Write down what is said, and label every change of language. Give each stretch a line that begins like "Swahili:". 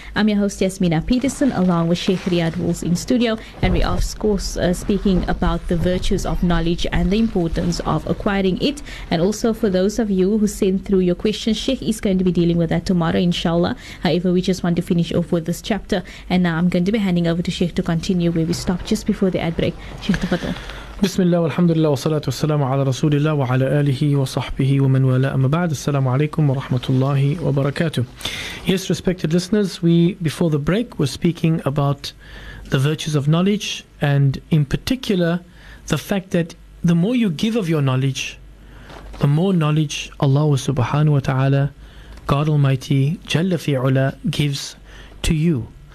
English: I'm your host, Yasmina Peterson, along with Sheikh Riyad Wolf in studio, and we are, of course, speaking about the virtues of knowledge and the importance of acquiring it. And also, for those of you who sent through your questions, Sheikh is going to be dealing with that tomorrow, inshallah. However, we just want to finish off with this chapter, and now I'm going to be handing over to Sheikh to continue where we stopped just before the ad break. Sheikh Tafadhol.
Arabic: بسم الله والحمد لله والصلاة والسلام على رسول الله وعلى آله وصحبه ومن والاه. أما بعد, السلام عليكم ورحمة الله وبركاته.
English: Yes, respected listeners, we before the break were speaking about the virtues of knowledge, and in particular the fact that the more you give of your knowledge, the more knowledge Allah subhanahu wa ta'ala, God Almighty, Jalla fi'ula, gives to you.